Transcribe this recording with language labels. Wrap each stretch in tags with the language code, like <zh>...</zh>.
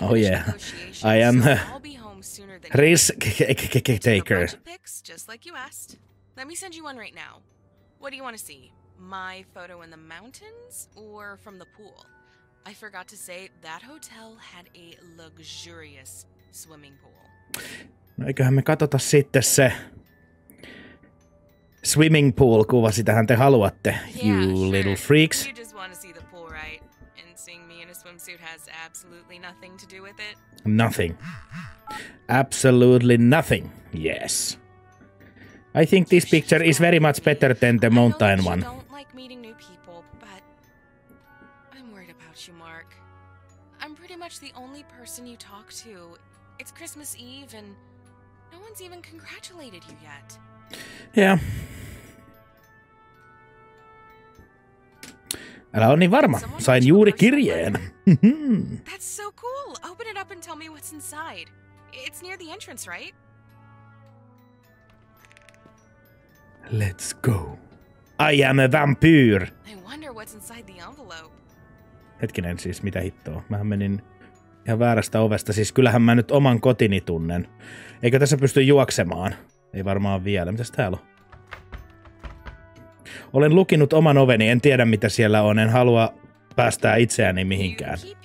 <en>Oh yeah, I am a risk taker. Just like you asked. Let me send you one right now. What do you want to see? My photo in the mountains or from the pool? I forgot to say that hotel had a luxurious swimming pool.</en> <fi>No eiköhän me katsota sitten se</fi> <en>swimming pool</en> <fi>kuva, sitähän te haluatte.</fi> <en>Yeah, you sure. Little freaks. You just want to see the pool, right? And seeing me in a swimsuit has absolutely nothing to do with it. Nothing. Absolutely nothing. Yes. I think this picture is very much better than the mountain one. I don't like meeting new people, but I'm worried about you, Mark. I'm pretty much the only person you talk to. It's Christmas Eve and no one's even congratulated you yet. Yeah.</en> <fi>Älä ole niin varma. Sain juuri kirjeen.</fi> <en>That's so cool. Open it up and tell me what's inside. It's near the entrance, right? Let's go. I am a vampire. I wonder what's inside the envelope.</en> <fi>Hetkinen siis, mitä hittoa? Mähän menin ihan väärästä ovesta. Siis kyllähän mä nyt oman kotini tunnen. Eikö tässä pysty juoksemaan? Ei varmaan vielä. Mitäs täällä on? Olen lukinut oman oveni. En tiedä, mitä siellä on. En halua päästää itseäni mihinkään.</fi>